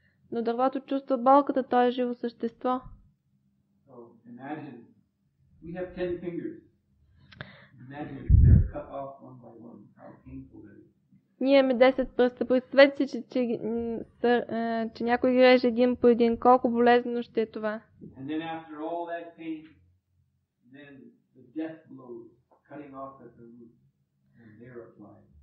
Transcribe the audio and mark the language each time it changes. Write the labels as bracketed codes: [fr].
[bg] Но дървото чувства болката, то е живо същество. [en] So, imagine, we have 10 fingers. Imagine if they're cut off one by one. How painful that is. [bg] Ние имаме 10 пръста. Представете си, че някой ги реже един по един. Колко болезнено ще е това. [en] And then after all that pain, then the death blow, cutting off at the root, and there applies.